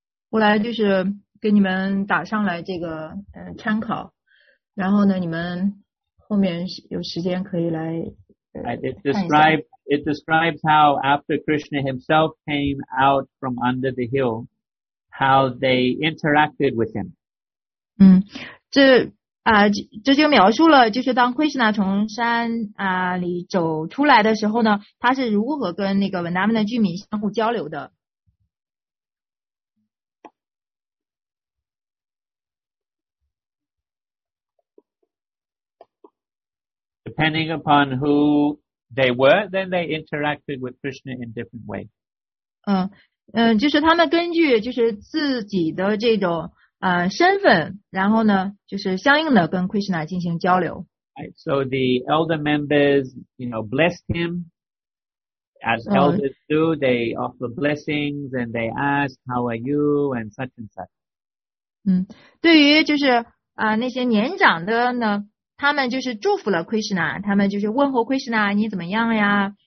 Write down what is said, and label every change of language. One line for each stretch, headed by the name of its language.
Chinese: 我来就是给你们打上来这个参考，然后呢你们后面有时间可以来
English: It describes how after Krishna himself came out from under the hill, how they interacted with him.
Chinese: 这就描述了就是当 Krishna 从山里走出来的时候呢，他是如何跟那个 Vrindavan 的居民相互交流的。
English: Depending upon who they were, then they interacted with Krishna in different ways.
Chinese: 就是他们根据就是自己的这种身份，然后呢就是相应的跟 Krishna 进行交流。
English: Right, so the elder members, you know, blessed him as elders do. They offer blessings and they ask, how are you? And such and such.
Chinese: 对于就是那些年长的呢，他们就是祝福了 Krishna， 他们就是问候 Krishna， 你怎么样呀？